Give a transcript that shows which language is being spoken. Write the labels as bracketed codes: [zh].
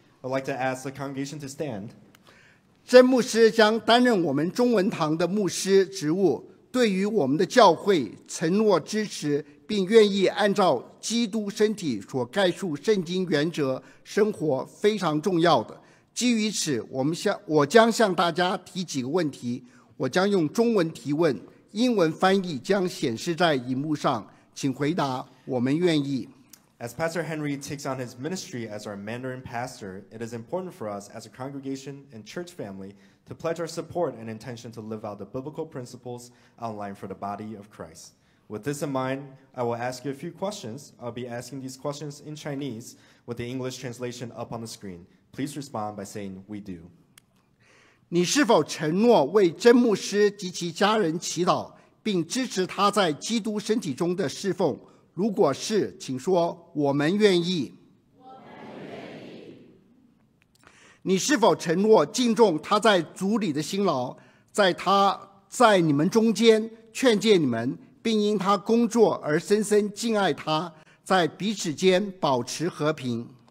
[en] I'd like to ask the congregation to stand. [zh] 曾牧师将担任我们中文堂的牧师职务，对于我们的教会承诺支持，并愿意按照基督身体所概述圣经原则生活，非常重要的。基于此，我将向大家提几个问题。我将用中文提问，英文翻译将显示在荧幕上，请回答，我们愿意。 [en] As Pastor Henry takes on his ministry as our Mandarin pastor, it is important for us as a congregation and church family to pledge our support and intention to live out the biblical principles outlined for the body of Christ. With this in mind, I will ask you a few questions. I'll be asking these questions in Chinese with the English translation up on the screen. Please respond by saying, we do. [zh] 你是否承诺为曾牧师及其家人祈祷，并支持他在基督身体中的侍奉？如果是，请说，我们愿意。你是否承诺敬重他在主里的辛劳，在他在你们中间劝诫你们，并因他工作而深深敬爱他，在彼此间保持和平？